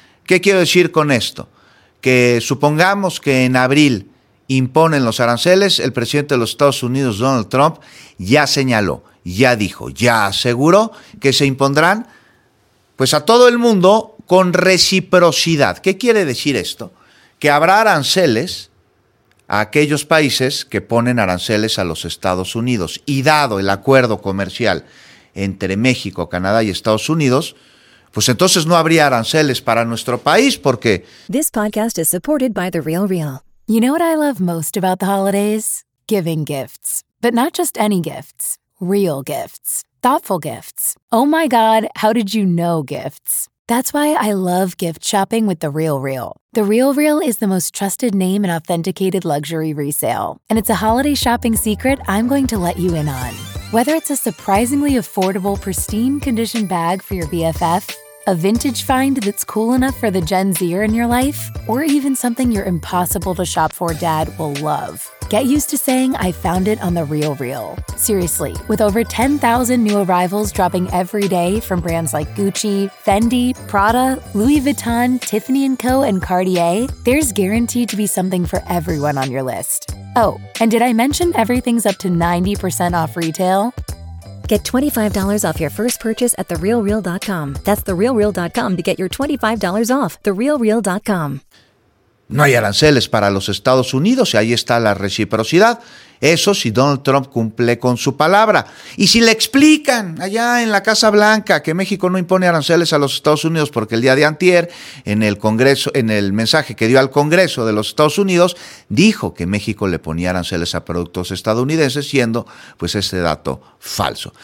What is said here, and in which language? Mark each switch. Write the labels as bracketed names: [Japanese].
[Spanish] ¿Qué quiero decir con esto? Que supongamos que en abril imponen los aranceles, el presidente de los Estados Unidos, Donald Trump, ya señaló, ya dijo, ya aseguró que se impondrán pues a todo el mundo con reciprocidad. ¿Qué quiere decir esto? Que habrá aranceles a aquellos países que ponen aranceles a los Estados Unidos. Y dado el acuerdo comercial entre México, Canadá y Estados Unidos, pues entonces no habría aranceles para nuestro país, porque... [English] This podcast is supported by The Real Real. You know what I love most about the holidays? Giving gifts. But not just any gifts. Real gifts. Thoughtful gifts. Oh my God, how did you know gifts? That's why I love gift shopping with The Real Real. The Real Real is the most trusted name in authenticated luxury resale. And it's a holiday shopping secret I'm going to let you in on. Whether it's a surprisingly affordable, pristine condition bag for your BFF, a vintage find that's cool enough for the Gen Zer in your life, or even something your impossible to shop for dad will love. Get used to saying, I found it on The Real Real. Seriously, with over 10,000 new arrivals dropping every day from brands like Gucci, Fendi, Prada, Louis Vuitton, Tiffany & Co., and Cartier, there's guaranteed to be something for everyone on your list. Oh, and did I mention everything's up to 90% off retail? Get $25 off your first purchase at TheRealReal.com. That's TheRealReal.com to get your $25 off. TheRealReal.com. [Spanish] No hay aranceles para los Estados Unidos y ahí está la reciprocidad. Eso si Donald Trump cumple con su palabra. Y si le explican allá en la Casa Blanca que México no impone aranceles a los Estados Unidos, porque el día de antier, en el Congreso, en el mensaje que dio al Congreso de los Estados Unidos, dijo que México le ponía aranceles a productos estadounidenses, siendo pues este dato falso.